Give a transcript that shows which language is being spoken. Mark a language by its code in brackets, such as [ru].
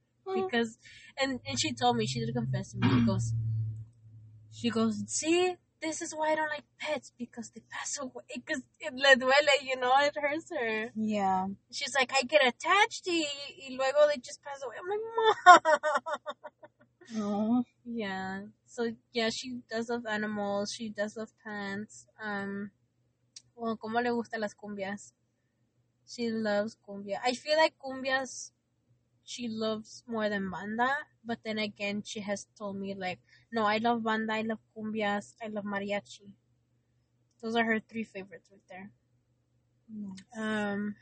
[en] Because, and she told me, she did confess to me. She goes, see, this is why I don't like pets, because they pass away, because it [es] le duele, [en] you know, it hurts her. Yeah. She's like, I get attached, [es] y luego [en] they just pass away. I'm like, mom. Yeah. So, yeah, she does love animals, she does love plants. Well, [es] como le gustan las cumbias? [en] She loves cumbia. I feel like cumbias, she loves more than banda, but then again, she has told me, like, no, I love banda, I love cumbias, I love mariachi. Those are her three favorites right there. Nice.